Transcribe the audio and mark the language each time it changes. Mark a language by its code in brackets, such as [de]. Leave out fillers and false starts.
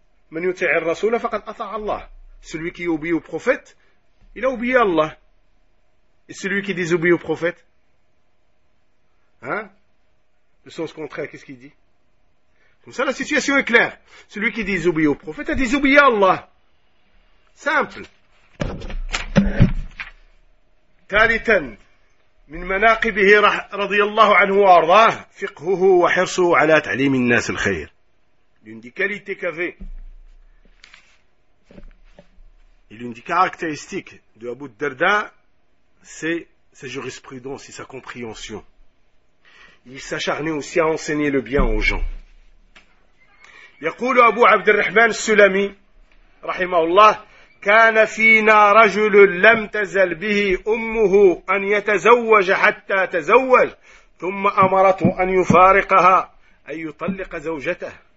[ar] Man yuti'i ar-rasoula faqad ata'a Allah. [fr] Celui qui obéit au prophète, il a oublié Allah. Et celui qui désobéit au prophète, hein? Le sens contraire, qu'est-ce qu'il dit? Comme ça, la situation est claire. Celui qui désobéit au prophète a désobéi à Allah. Simple. [ar] ثالثا من مناقبه رضي الله عنه وارضاه فقهه وحرصه على تعليم الناس الخير. [fr] L'une des qualités qu'avait et l'une des caractéristiques de Abu Darda, c'est sa jurisprudence et sa compréhension. Il s'acharnait aussi à enseigner le bien aux gens. [ar] يقول أبو عبد الرحمن السلمي رحمه الله كان فينا رجل لم تزل به أمه أن يتزوج حتى تزوج ثم أمرته أن يفارقها أي يطلق زوجته.